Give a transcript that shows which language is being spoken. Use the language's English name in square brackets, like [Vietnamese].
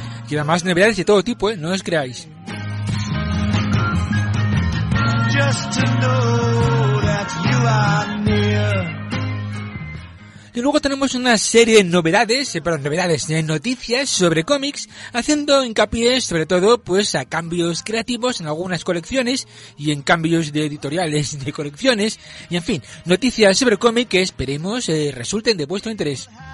[Spanish] Y además novedades de todo tipo, no os creáis. [English] Just to know that you are near. [Spanish] Y luego tenemos una serie de noticias sobre cómics, haciendo hincapié sobre todo pues a cambios creativos en algunas colecciones y en cambios de editoriales de colecciones, y en fin, noticias sobre cómic que esperemos resulten de vuestro interés.